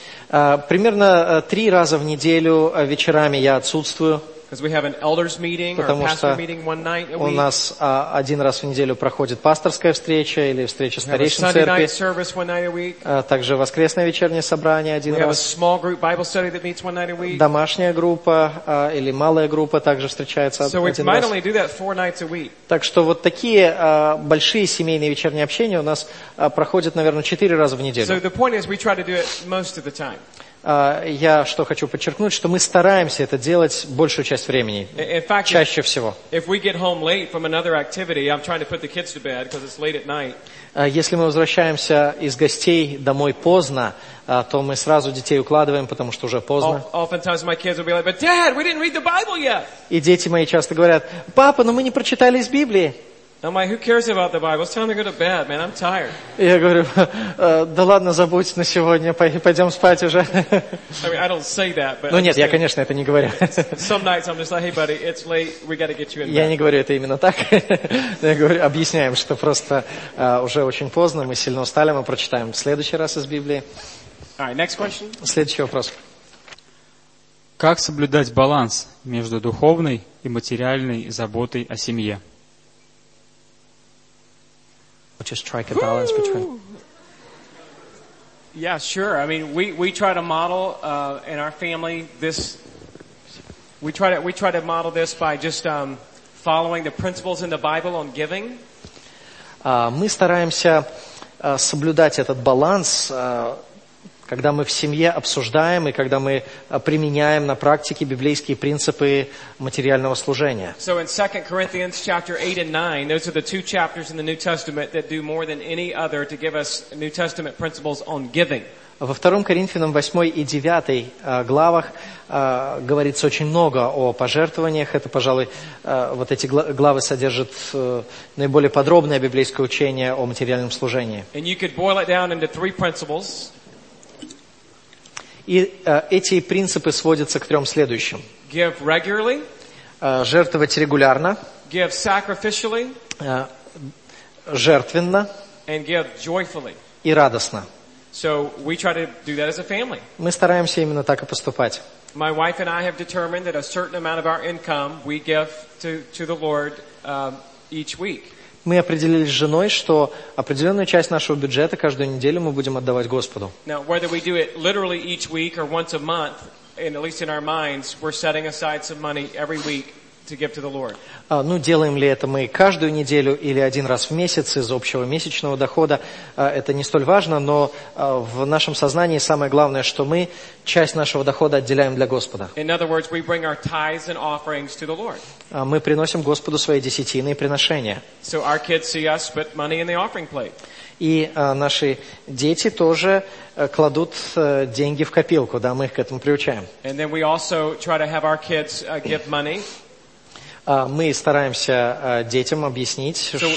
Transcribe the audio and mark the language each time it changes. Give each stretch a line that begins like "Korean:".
Russian: Примерно 3 раза в неделю вечерами я отсутствую.
English: Because we have an elders meeting or pastor meeting one night a week.
Russian: У нас один раз в неделю проходит пасторская встреча или встреча старейшин церкви.
English: We have a Sunday night service one night a week.
Russian: Также воскресное вечернее собрание один раз.
English: We have a small group Bible study that meets one night a week.
Russian: Домашняя группа или малая группа также встречается один раз.
English: So we might only do that 4 nights a week.
Russian: Так что вот такие большие семейные вечерние общения у нас проходят, наверное, 4 раза в неделю.
English: So the point is we try to do it most of the time.
Russian: Я что хочу подчеркнуть, что мы стараемся это делать большую часть времени,
English: in fact,
Russian: чаще всего.
English: If we get home late from another activity, I'm trying to put the kids to bed because it's late at night.
Russian: Если мы возвращаемся из гостей домой поздно, то мы сразу детей укладываем, потому что уже поздно.
English: Oftentimes my kids will be like, "But Dad, we didn't read the Bible yet."
Russian: И дети мои часто говорят: "Папа, но мы не прочитали из Библии."
English: I'm like, who cares about the Bible? It's time to go to bed, man. I'm tired.
Russian: Я говорю, да ладно, забудь на сегодня, пойдем спать уже.
English: I mean, I don't say that, but.
Russian: Ну нет, я конечно это не говорю.
English: Some nights I'm just like, hey, buddy, it's late. We got to get you in bed.
Russian: Я не говорю это именно так. Я говорю, объясняем, что просто уже очень поздно, мы сильно устали, мы прочитаем в следующий раз из Библии.
English: All right, next question.
Russian: Следующий вопрос. Как соблюдать баланс между духовной и материальной заботой о семье?
English: Just strike a balance Woo! Between. Yeah, sure. I mean, we try to model in our family this. We try to model this by just following the principles in the Bible on giving.
Russian: Мы стараемся соблюдать этот баланс, когда мы в семье обсуждаем и когда мы применяем на практике библейские принципы материального служения.
English: So in 2 Corinthians chapter 8 and 9, those are the two chapters in the New Testament that do more than any other to give us New Testament principles on giving.
Russian: Во 2 Коринфянам 8 и 9 главах говорится очень много о пожертвованиях. Это, пожалуй, вот эти главы содержат наиболее подробное библейское учение о материальном служении.
English: And you could boil it down into 3 principles.
Russian: И эти принципы сводятся к 3 следующим.
English: Give regularly.
Russian: Жертвовать регулярно.
English: Give sacrificially.
Russian: Жертвенно.
English: and give joyfully.
Russian: И радостно.
English: So we try to do that as a family.
Russian: Мы стараемся именно так и поступать.
English: My wife and I have determined that a certain amount of our income we give to the Lord each week.
Russian: Мы определили с женой, что определенную часть нашего бюджета каждую неделю мы будем отдавать Господу.
English: Now whether we do it literally each week or once a month, and at least in our minds, we're setting aside some money every week to give to the Lord.
Russian: Ну, делаем ли это мы каждую неделю или один раз в месяц из общего месячного дохода, это не столь важно, но в нашем сознании самое главное, что мы часть нашего дохода отделяем для Господа.
English: In other words, we bring our tithes and offerings to the Lord.
Russian: Мы приносим Господу свои десятины и приношения.
English: So our kids see us put money in the offering plate.
Russian: И наши дети тоже кладут деньги в копилку, да, мы их к этому приучаем.
English: And then we also try to have our kids give money.
Russian: Мы стараемся детям объяснить,